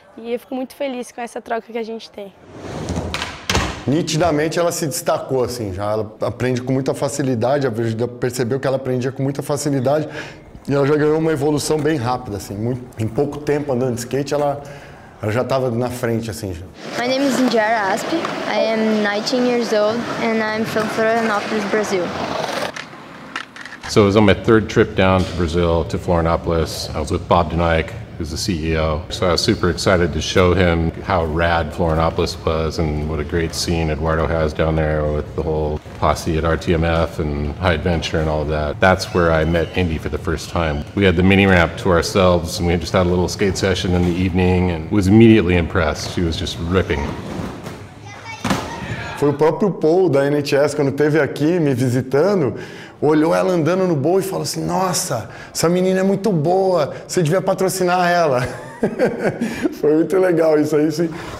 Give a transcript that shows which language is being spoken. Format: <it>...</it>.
<pt>E eu fico muito feliz com essa troca que a gente tem. Nitidamente ela se destacou, assim, já. Ela aprende com muita facilidade, percebeu que ela aprendia com muita facilidade. E ela já ganhou uma evolução bem rápida, assim. Em pouco tempo andando de skate, ela já estava na frente, assim. Já.</pt> <en>My name is Yndiara Asp. I am 19 years old and I'm from Florianópolis, Brazil. So it was on my third trip down to Brazil, to Florianópolis. I was with Bob Denike, who's the CEO. So I was super excited to show him how rad Florianópolis was and what a great scene Eduardo has down there with the whole posse at RTMF and High Adventure and all of that. That's where I met Indy for the first time. We had the mini ramp to ourselves and we just had a little skate session in the evening and was immediately impressed. She was just ripping.</en> <pt>Foi o próprio Paul da NHS, quando esteve aqui me visitando, olhou ela andando no bowl e falou assim, nossa, essa menina é muito boa, você devia patrocinar ela. Foi muito legal isso aí, sim.</pt>